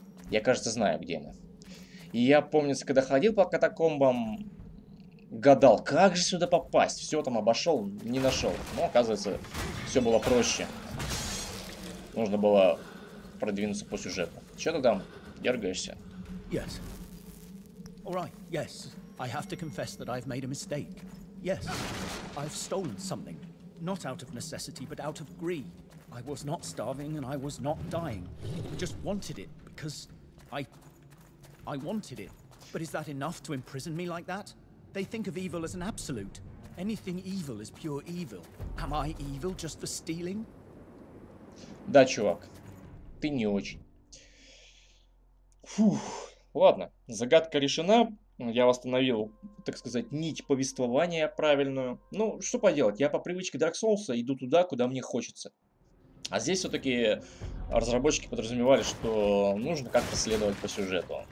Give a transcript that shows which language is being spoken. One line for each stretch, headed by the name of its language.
Russian: Я, кажется, знаю, где она. И я, помнится, когда ходил по катакомбам, гадал, как же сюда попасть. Все там обошел, не нашел. Но, оказывается... Все было проще. Нужно было продвинуться по сюжету. Че ты там дергаешься?
English: Yes. All right. Yes. I have to confess that I've made a mistake. Yes. I've stolen something. Not out of necessity, but out of greed. I was not starving and I was not dying. I just wanted it because I wanted it. But is that enough to imprison me like that? They think of evil as an absolute. Anything evil is pure evil. Am I evil just for stealing?
Russian: Да, чувак, ты не очень. Фух, ладно, загадка решена. Я восстановил, так сказать, нить повествования правильную. Ну, что поделать, я по привычке Dark Souls иду туда, куда мне хочется. А здесь все-таки разработчики подразумевали, что нужно как-то следовать по сюжету.